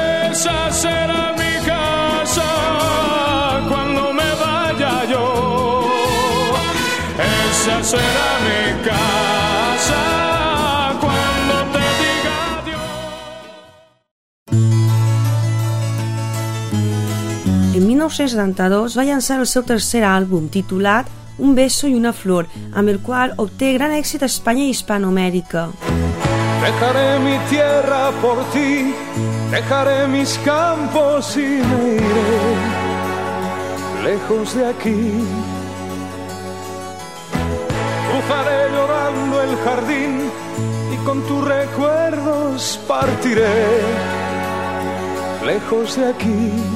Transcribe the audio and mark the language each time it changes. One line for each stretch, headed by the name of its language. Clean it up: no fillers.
Spanish: Esa será mi casa cuando me vaya yo. Esa será mi casa cuando te diga adiós.
Catalan: En 1972 va llançar el seu tercer àlbum, titulat Un beso y una flor, amb el qual obté gran èxit a Espanya i Hispanoamèrica.
Spanish: Dejaré mi tierra por ti, dejaré mis campos y me iré lejos de aquí. Cruzaré llorando el jardín y con tus recuerdos partiré lejos de aquí.